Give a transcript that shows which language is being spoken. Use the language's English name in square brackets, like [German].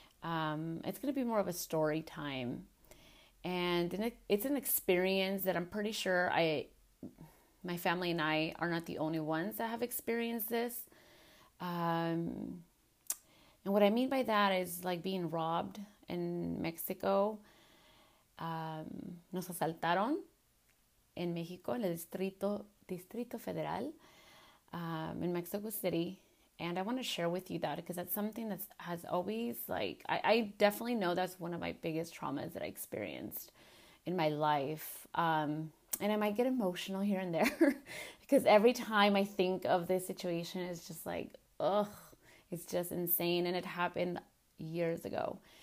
[English] It's going to be more of a story time. And it's an experience that I'm pretty sure my family and I are not the only ones that have experienced this. And what I mean by that is like being robbed in Mexico. [Spanish] Nos asaltaron en México, en el Distrito Federal. [English] In Mexico City, and I want to share with you that because that's something that has always, like, I definitely know that's one of my biggest traumas that I experienced in my life, and I might get emotional here and there, because every time I think of this situation, it's just like, ugh, it's just insane, and it happened years ago,